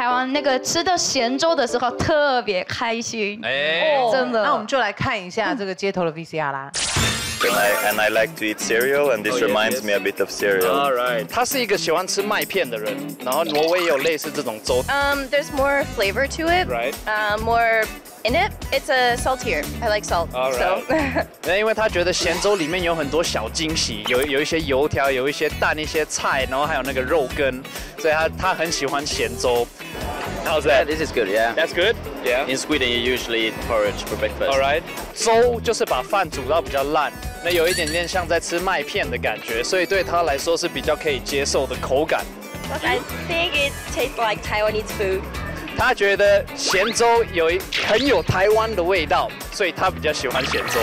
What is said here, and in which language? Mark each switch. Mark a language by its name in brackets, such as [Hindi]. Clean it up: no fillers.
[Chinese] 那个吃的咸粥的时候特别开心，真的。那我们就来看一下这个街头的 VCR 啦。 [English] And I like to eat cereal, and this reminds me a bit of cereal. All right. [Chinese] 他是一个喜欢吃麦片的人，然后挪威有类似这种粥。 [English] There's more flavor to it. Right. More in it. It's a saltier. I like salt. All right. [Chinese] 因为他觉得咸粥里面有很多小惊喜，有一些油条，有一些蛋，一些菜，然后还有那个肉根，所以他很喜欢咸粥。 [English] How's that? Yeah, this is good, yeah. That's good? Yeah. In Sweden, you usually eat porridge for breakfast. All right. [Chinese] 粥就是把饭煮到比较烂，那有一点点像在吃麦片的感觉，所以对他来说是比较可以接受的口感。 [English] I think it tastes like Taiwanese food. [Chinese] 他觉得咸粥很有台湾的味道，所以他比较喜欢咸粥。